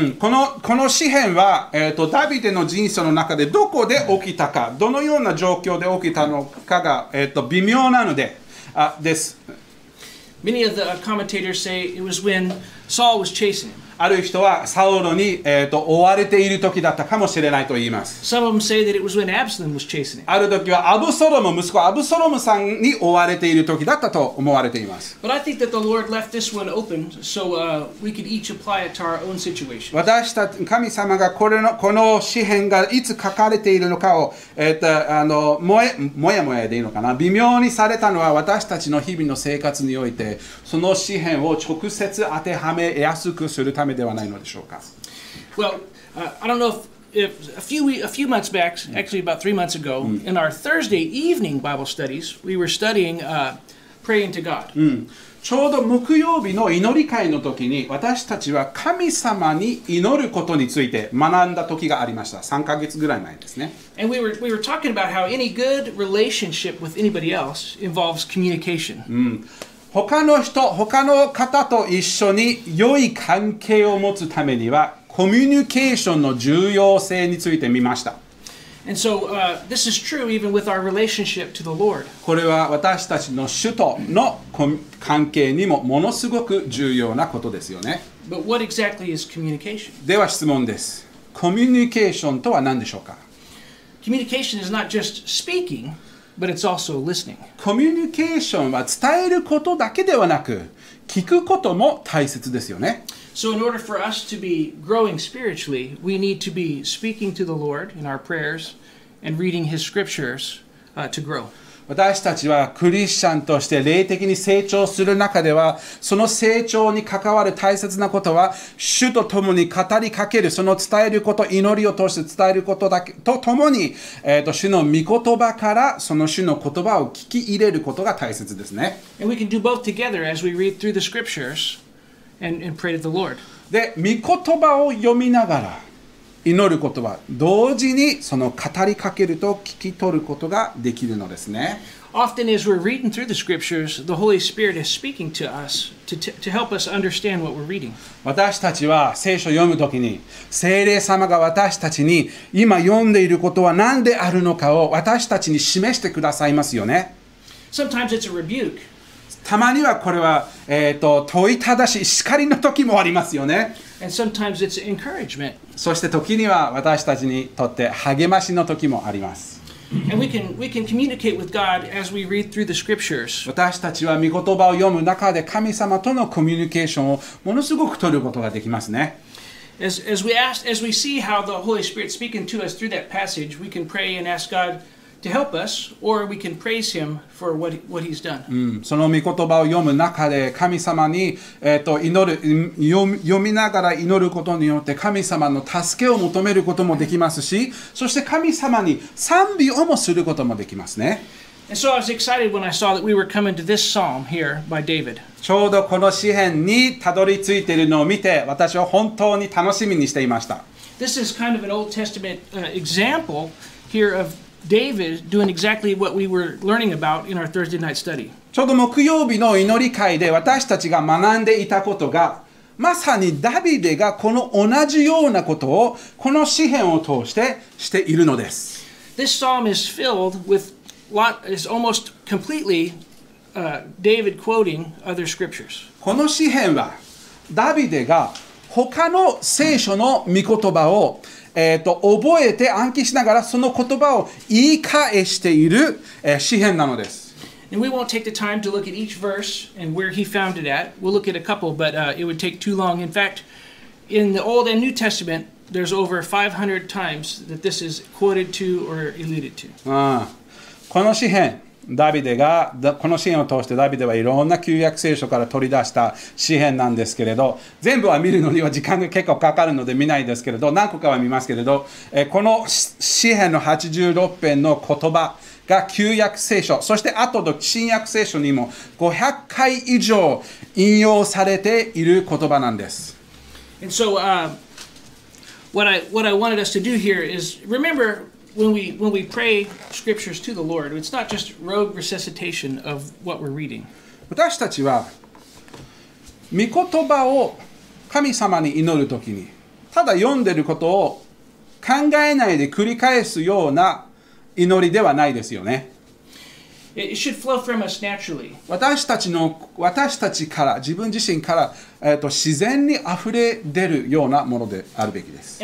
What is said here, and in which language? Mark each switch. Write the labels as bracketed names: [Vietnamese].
[Japanese] この詩篇は、ダビデの人生の中でどこで起きたか、どのような状況で起きたのかが、微妙なので、です。 [English] Many of the commentators say it was when Saul was chasing him. [Japanese] ある人はサウロに、追われている時だったかもしれないと言います。 [English] Some of them say that it was when Absalom was chasing him. [Japanese] ある時はアブソロム、息子アブソロムさんに追われている時だったと思われています。 [English] But I think that the Lord left this one open so we could each apply it to our own situation. [Japanese] 私たち、神様がこの詩篇がいつ書かれているのかを、もやもやでいいのかな、微妙にされたのは私たちの日々の生活において、その詩篇を直接当てはめやすくするためではないのでしょうか。 [English] Well, I don't know if a few months back, actually about 3 months ago, in our Thursday evening Bible studies, we were studying praying to God. [Japanese] ちょうど木曜日の祈り会の時に私たちは神様に祈ることについて学んだ時がありました。 3ヶ月ぐらい前ですね。 [English] And we were talking about how any good relationship with anybody else involves communication. [Japanese] 他の人、他の方と一緒に良い関係を持つためにはコミュニケーションの重要性について見ました。 [English] And so, this is true even with our relationship to the Lord. [Japanese] これは私たちの主との関係にもものすごく重要なことですよね。 [English] But what exactly is communication? [Japanese] では質問です。コミュニケーションとは何でしょうか? [English] Communication is not just speaking. But it's also listening. [Japanese] コミュニケーションは伝えることだけではなく、聞くことも大切ですよね。 [English] So in order for us to be growing spiritually, we need to be speaking to the Lord in our prayers and reading His scriptures, to grow. [Japanese] 私たちはクリスチャンとして霊的に成長する中では、その成長に関わる大切なことは、主と共に語りかける、その伝えること、祈りを通して伝えることだけと共に、主の御言葉からその主の言葉を聞き入れることが大切ですね。 [English] And we can do both together as we read through the scriptures and pray to the Lord. [Japanese] で、御言葉を読みながら、祈ることは同時にその語りかけると聞き取ることができるのですね。 [English] Often as we're reading through the scriptures, the Holy Spirit is speaking to us to help us understand what we're reading. [Japanese] 私たちは聖書を読むときに、聖霊様が私たちに今読んでいることは何であるのかを私たちに示してくださいますよね。 [English] Sometimes it's a rebuke. [Japanese] たまにはこれは、問いただし、叱りの時もありますよね。 [English] And sometimes it's encouragement. [Japanese] そして時には私たちにとって励ましの時もあります。 [English] And we can communicate with God as we read through the scriptures. [Japanese] 私たちは御言葉を読む中で神様とのコミュニケーションをものすごく取ることができますね。 [English] As we see how the Holy Spirit speaking to us through that passage, we can pray and ask God. To help us, or we can praise him for what he's done. [Japanese] その御言葉を読む中で神様に、祈る、読みながら祈ることによって神様の助けを求めることもできますし、そして神様に賛美をもすることもできますね。 [English] And so I was excited when I saw that we were coming to this psalm here by David. [Japanese] ちょうどこの詩篇にたどり着いているのを見て、私は本当に楽しみにしていました。 [English] This is kind of an Old Testament example here of. David doing exactly what we were learning about in our Thursday night study. [Japanese] ちょうど木曜日の祈り会で私たちが学んでいたことが、まさにダビデがこの同じようなことをこの詩篇を通してしているのです。 [English] This psalm is filled with what is almost completely David quoting other scriptures. [Japanese] この詩篇はダビデが他の聖書の御言葉を覚えて暗記しながらその言葉を言い返している、詩篇なのです。 [English] And we won't take the time to look at each verse and where he found it at. We'll look at a couple, but it would take too long. In fact, in the Old and New Testament, there's over 500 times that this is quoted to or alluded to. [Japanese] この詩編、ダビデが、この詩編を通してダビデはいろんな旧約聖書から取り出した詩編なんですけれど、全部は見るのには時間が結構かかるので見ないですけれど、何個かは見ますけれど、この詩編の86編の言葉が旧約聖書、そして後の新約聖書にも500回以上引用されている言葉なんです。 [English] And so, what I wanted us to do here is remember when we pray scriptures to the Lord, it's not just rogue resuscitation of what we're reading. [Japanese] 私たちは御言葉を神様に祈るときに、ただ読んでることを考えないで繰り返すような祈りではないですよね。 [English] It should flow from us naturally. [Japanese] 私たちから、自分自身から、自然に溢れ出るようなものであるべきです。